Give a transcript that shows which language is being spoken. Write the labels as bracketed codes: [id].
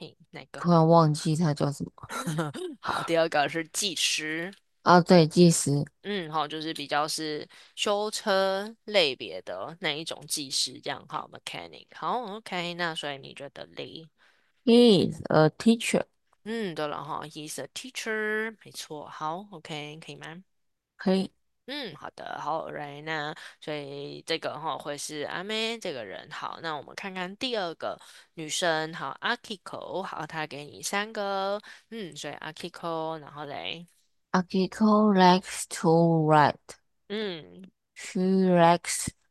[zh] 哪个？突然忘记它叫什么。好，第二个是技师。啊，对，技师。好，就是比较是修车类别的那一种技师，这样好，mechanic 好。好，OK，那所以你觉得嘞？ [en] He is a teacher. [zh] 对了哈， [en] he's a teacher， [zh] 没错。好，OK，可以吗？可以。好的，好，Right，那所以这个哈会是阿妹这个人。好，那我们看看第二个女生，好，Akiko，好，她给你三个，所以 Akiko，然后嘞。 [en] Akiko likes to write. She likes